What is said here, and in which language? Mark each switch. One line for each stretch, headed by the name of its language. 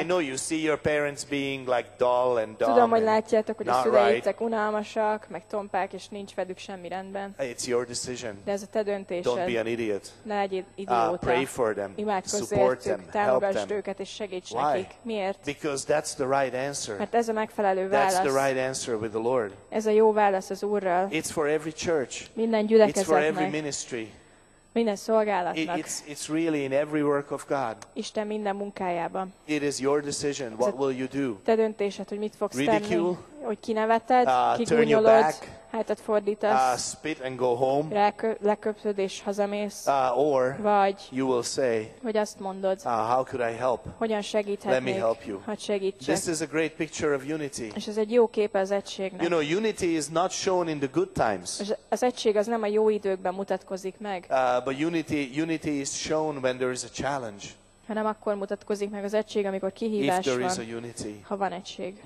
English: I know you see your parents being like dull and dumb.
Hungarian: Tudom, hogy látjátok, hogy a szüleitek unalmasak, meg tompák, és nincs velük semmi rendben.
English: It's your decision.
Hungarian: De ez a te döntésed.
English: Don't be an idiot.
Hungarian: Ne legyél idióta.
English: Pray for them.
Hungarian: Imádkozz
English: Support
Hungarian: értük,
English: them.
Hungarian: Támogasd őket, és segíts nekik. Miért?
English: Because that's the right answer.
Hungarian: Mert ez a megfelelő válasz.
English: That's the right answer with the Lord.
Hungarian: Ez a jó válasz az Úrral.
English: It's for every church.
Hungarian: Minden gyülekezet.
English: Every ministry.
Hungarian: Minden szolgálatnak.
English: It's really in every work of God.
Hungarian: Isten minden munkájában.
English: It is your decision. What will you do?
Hungarian: Te döntésed, hogy mit fogsz
English: Ridicule?
Hungarian: Tenni. Hogy kineveted, kigúnyolod, hátat fordítasz.
English: Spit and go home.
Hungarian: Leköpszöd és hazamész.
English: Or
Hungarian: vagy
English: you will say.
Hungarian: Vagy azt mondod.
English: How could I help?
Hungarian: Hogyan segíthetnék?
English: Let me help you.
Hungarian: Hadd segítsek.
English: This is a great picture of unity.
Hungarian: És ez egy jó kép az egységnek.
English: You know, unity is not shown in the good times.
Hungarian: Az egység az nem a jó időkben mutatkozik meg.
English: But unity is shown when there is a challenge.
Hungarian: Hanem akkor mutatkozik meg az egység, amikor kihívás van, ha van egység.